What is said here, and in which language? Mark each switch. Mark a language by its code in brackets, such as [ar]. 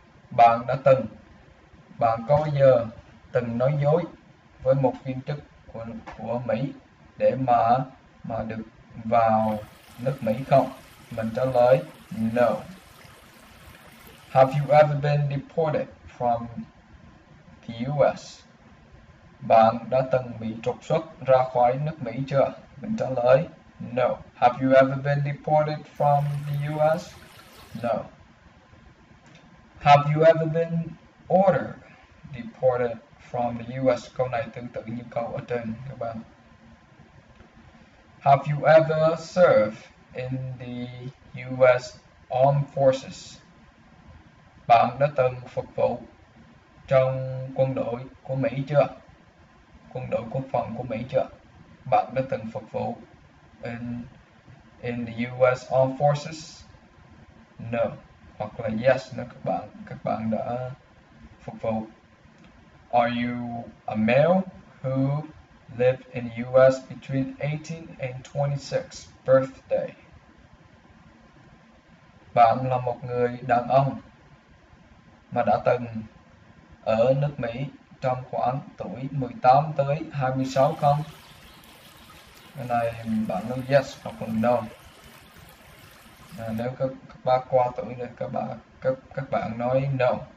[vi] Bạn có bao giờ từng nói dối với một viên chức của Mỹ để mà được vào nước Mỹ không? Mình trả lời no. [en] Have you ever been deported from the US? [vi] Bạn đã từng bị trục xuất ra khỏi nước Mỹ chưa? Mình trả lời no. [en] Have you ever been deported from the US? No. Have you ever been ordered deported from the US? [vi] Câu này tương tự như câu ở trên các bạn. [en] Have you ever served in the US Armed Forces? [vi] Bạn đã từng phục vụ trong quân đội của Mỹ chưa? quân đội quốc phòng của Mỹ chưa? Bạn đã từng phục vụ [en] in the US Armed Forces? [vi] No. Hoặc là yes, nếu các bạn đã phục vụ. [en] Are you a male who lived in the US between 18 and 26 birthday? [vi] Bạn là một người đàn ông mà đã từng ở nước Mỹ trong khoảng tuổi 18 tới 26 không? Cái này bạn nói yes hoặc là no. Nếu các bạn qua tuổi thì các bạn nói no.